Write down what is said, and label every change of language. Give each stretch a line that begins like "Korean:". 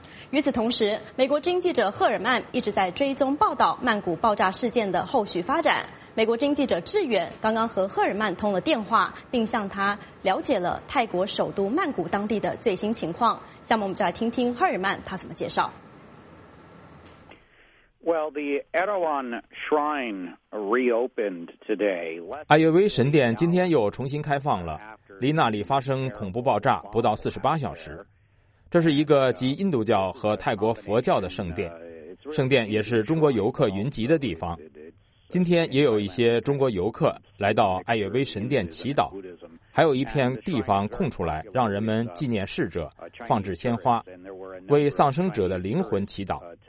Chinese: 与此同时，美国之音记者赫尔曼一直在追踪报道曼谷爆炸事件的后续发展。美国之音记者志远刚刚和赫尔曼通了电话，并向他了解了泰国首都曼谷当地的最新情况。下面我们就来听听赫尔曼他怎么介绍。
English: Well, the Erawan Shrine reopened today.
Chinese: 艾约威神殿今天又重新开放了，离那里发生恐怖爆炸不到48小时。这是一个集印度教和泰国佛教的圣殿，圣殿也是中国游客云集的地方。今天也有一些中国游客来到艾约威神殿祈祷，还有一片地方空出来让人们纪念逝者，放置鲜花，为丧生者的灵魂祈祷。